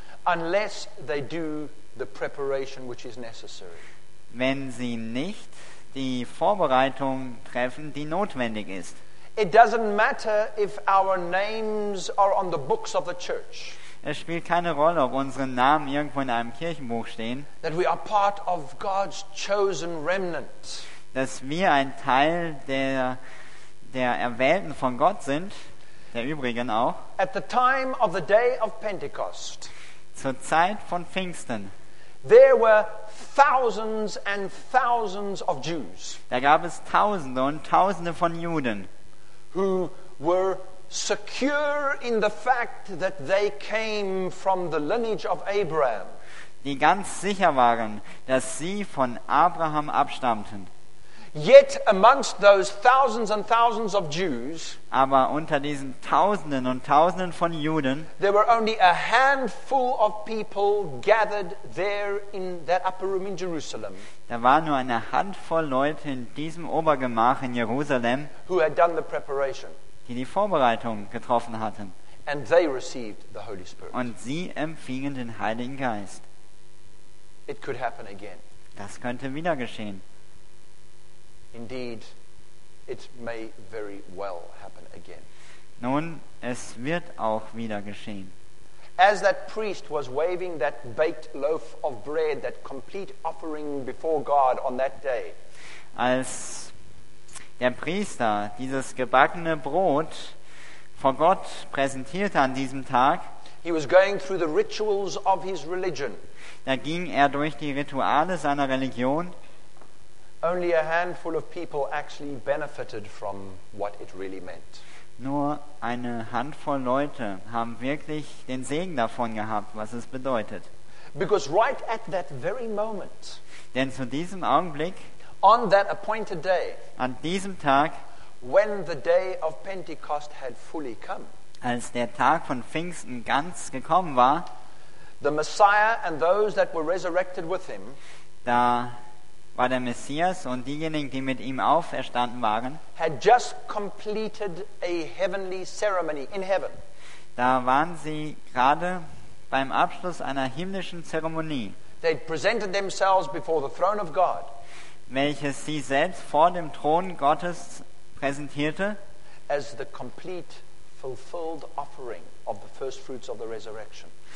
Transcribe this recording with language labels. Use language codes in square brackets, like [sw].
[en] unless they do the preparation which is necessary, [de] wenn sie nicht die Vorbereitung treffen, die notwendig ist. [en] It doesn't matter if our names are on the books of the church. [de] Es spielt keine Rolle, ob unsere Namen irgendwo in einem Kirchenbuch stehen. [en] That we are part of God's chosen remnant. [de] Dass wir ein Teil der Erwählten von Gott sind, der Übrigen auch. [en] At the time of the day of Pentecost, [de] zur Zeit von Pfingsten, [en] there were thousands and thousands of Jews, [de] da gab es Tausende und Tausende von Juden, [en] who were secure in the fact that they came from the lineage of Abraham, [de] die ganz sicher waren, dass sie von Abraham abstammten. [en] Yet amongst those thousands and thousands of Jews, [de] aber unter diesen Tausenden und Tausenden von Juden, [en] there were only a handful of people gathered there in that upper room in Jerusalem. [de] Da war nur eine Handvoll Leute in diesem Obergemach in Jerusalem, [en] who had done the preparation, [de] die die Vorbereitung getroffen hatten, [en] and they received the Holy Spirit. [de] Und sie empfingen den Heiligen Geist. [en] It could happen again. [de] Das könnte wieder geschehen. [en] Indeed, it may very well happen again. [de] Nun, es wird auch wieder geschehen. [en] As that priest was waving that baked loaf of bread, that complete offering before God on that day, [de] als der Priester dieses gebackene Brot vor Gott präsentierte an diesem Tag, [en] he was going through the rituals of his religion. [de] Da ging er durch die Rituale seiner Religion. [en] Only a handful of people actually benefited from what it really meant. [de] Nur eine Handvoll Leute haben wirklich den Segen davon gehabt, was es bedeutet. [en] Because right at that very moment, [de] denn zu diesem Augenblick, [en] on that appointed day, [de] an diesem Tag, [en] when the day of Pentecost had fully come, [de] als der Tag von Pfingsten ganz gekommen war, [en] the Messiah and those that were resurrected with him, [de] da war der Messias und diejenigen, die mit ihm auferstanden waren, [en] had just completed a heavenly ceremony in heaven. [de] Da waren sie gerade beim Abschluss einer himmlischen Zeremonie, [en] they presented themselves before the throne of God, [de] welches sie selbst vor dem Thron Gottes präsentierte, [en] as the complete fulfilled offering of the first fruits of the resurrection.